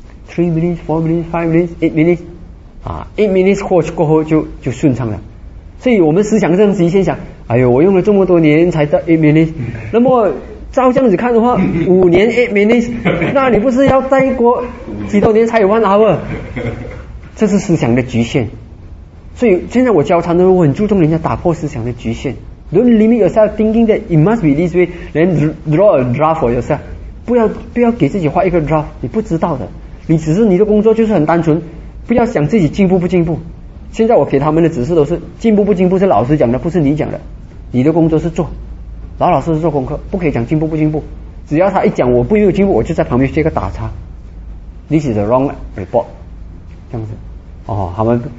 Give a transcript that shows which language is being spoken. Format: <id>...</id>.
<en>3 minutes 4 minutes 5 minutes 8 minutes</en> <zh>啊，</zh> <en>8 minutes</en> <zh>过后就顺畅了。所以我们思想上直接想，哎呦，我用了这么多年才到</zh> <en>8 minutes，</en> <zh>那么照这样子看的话，5年 8 minutes， 那你不是要再过几多年才有</zh> <en>1 hour？</en> <zh>这是思想的局限。所以现在我教禅的时候，我很注重人家打破思想的局限。</zh> <en>Don't limit yourself thinking that it must be this way， then draw a draft for yourself。</en> <zh>不要给自己画一个 draft， 你不知道的，你只是你的工作就是很单纯，不要想自己进步不进步。现在我给他们的指示都是进步不进步是老师讲的，不是你讲的，你的工作是做，老老实实做功课，不可以讲进步不进步。只要他一讲我不没有进步，我就在旁边接个打叉，</zh> <en>This is the wrong report，</en> <zh>这样子哦，他们。</zh>